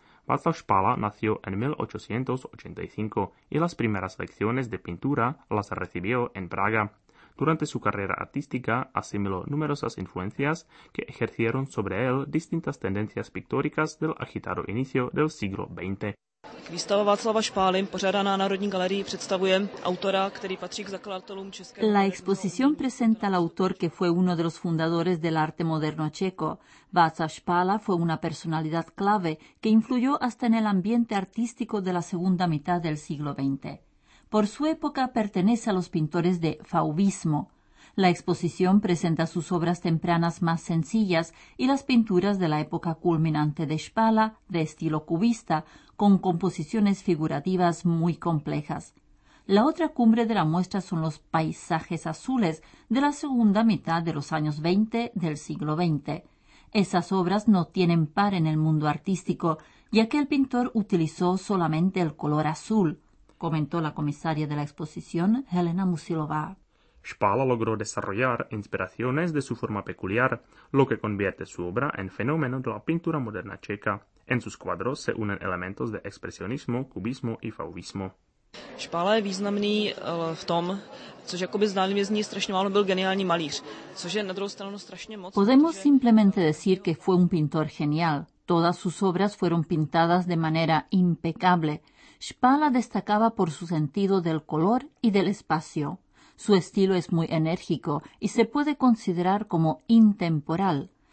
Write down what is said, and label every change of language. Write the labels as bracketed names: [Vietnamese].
[Spanish] Václav Špála nació en 1885 y las primeras lecciones de pintura las recibió en Praga. Durante su carrera artística asimiló numerosas influencias que ejercieron sobre él distintas tendencias pictóricas del agitado inicio del siglo XX. [Czech] Výstava Václava Špály, pořádaná Národní galerii, představuje autora, který patří k zakladatelům české. [Spanish] La exposición presenta al autor que fue uno de los fundadores del arte moderno checo. Václav Špála fue una personalidad clave que influyó hasta en el ambiente artístico de la segunda mitad del siglo XX. Por su época pertenece a los pintores de fauvismo. La exposición presenta sus obras tempranas más sencillas y las pinturas de la época culminante de Špála, de estilo cubista, con composiciones figurativas muy complejas. La otra cumbre de la muestra son los paisajes azules de la segunda mitad de los años 20 del siglo XX. Esas obras no tienen par en el mundo artístico, ya que el pintor utilizó solamente el color azul, comentó la comisaria de la exposición, Helena Musilová. Spála logró desarrollar inspiraciones de su forma peculiar, lo que convierte su obra en fenómeno de la pintura moderna checa. En sus cuadros se unen elementos de expresionismo, cubismo y fauvismo. [Czech] Spála je významný v tom, což jakoby zdálivě zní strašně málo, byl geniální malíř, což je na druhou stranu strašně moc. [Spanish] Podemos simplemente decir que fue un pintor genial. Todas sus obras fueron pintadas de manera impecable. Spála destacaba por su sentido del color y del espacio. Su estilo es muy enérgico y se puede considerar como intemporal.